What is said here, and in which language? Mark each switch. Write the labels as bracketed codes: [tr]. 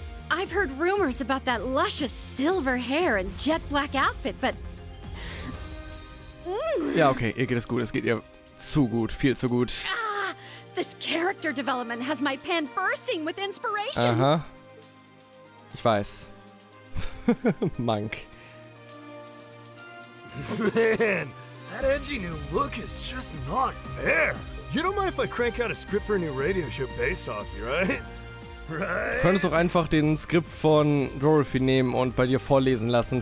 [en] I've heard rumors about that luscious silver hair and jet black outfit, but... [de] Ja, okay, ihr geht es gut. Es geht ihr zu gut, viel zu gut. [en] Ah, this character development has my pen bursting with inspiration. [de] Aha. Ich weiß. Monk. [en] Man, that edgy new look is just not fair. You don't mind if I crank out a script for a new radio show based off you, right? Right? [de] Könntest du auch einfach den Skript von Dorothy nehmen und bei dir vorlesen lassen?